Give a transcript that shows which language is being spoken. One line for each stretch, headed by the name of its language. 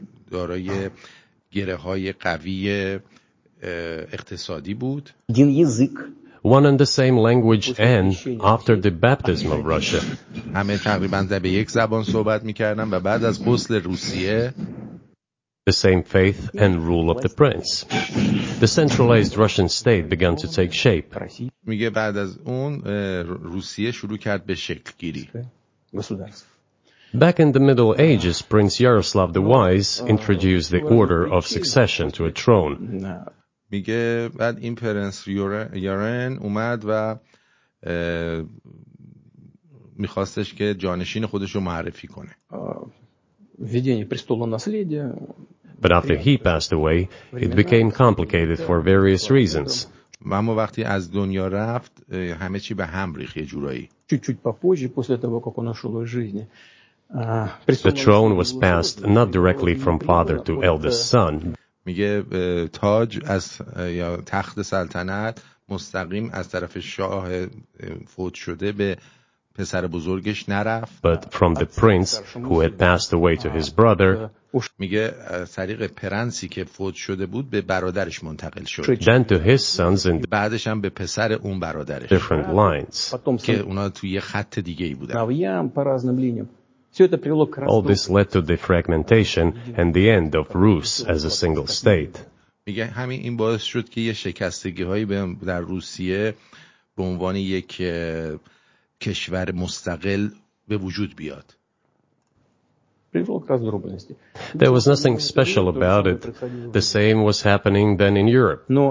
Persian: دارای گره های قوی اقتصادی بود. دین یزیک.
English: One and the same language, and after the baptism of Russia,
Persian: همه تقریباً به یک زبان صحبت می‌کردند و بعد از غسل روسیه,
English: the same faith and rule of the prince, the centralized Russian state began to take shape.
Persian: میگه بعد از اون روسیه شروع کرد به شکل گیری.
English: Back in the Middle Ages, Prince Yaroslav the Wise introduced the order of succession to a throne.
Persian: میگه بعد این پرنس یارن اومد و میخواستش که جانشین خودش رو معرفی کنه.
Russian: ویدینی престола наследия.
English: But after he passed away, it became complicated for various reasons.
Persian: اما وقتی از دنیا رفت، همه چی به هم ریخت یه جورایی.
Russian: Чуть-чуть попозже после того, как он ушёл из жизни.
English: The throne was passed not directly from father to eldest son.
Persian: میگه تاج از یا تخت سلطنت مستقیم از طرف شاه فوت شده به پسر بزرگش نرفت.
English: But from the prince who had passed away to his brother,
Persian: میگه طریق پرنسی که فوت شده بود به برادرش منتقل شد.
English: Then to his sons and
Persian: بعدش هم به پسر اون برادرش.
English: Different lines.
Persian: که اونا توی یه خط دیگه ای بودن.
English: All this led to the fragmentation and the end of Rus as a single state.
Persian: میگه همین این باعث شد که یه شکستگی هایی در روسیه به عنوان یک کشور مستقل به وجود بیاد.
English: There was nothing special about it. The same was happening then in Europe.